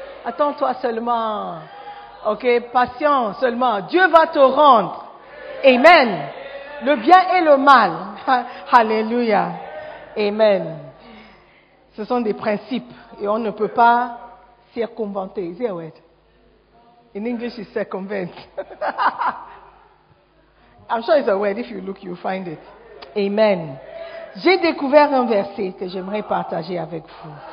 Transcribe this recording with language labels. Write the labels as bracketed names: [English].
[French] Attends-toi seulement. Ok, patient seulement. Dieu va te rendre. Amen. Le bien et le mal. Alléluia. Amen. Ce sont des principes et on ne peut pas circonventer. [English] Is that word? In English, it's circumvent. I'm sure it's a word. If you look, you'll find it. Amen. [French] J'ai découvert un verset que j'aimerais partager avec vous.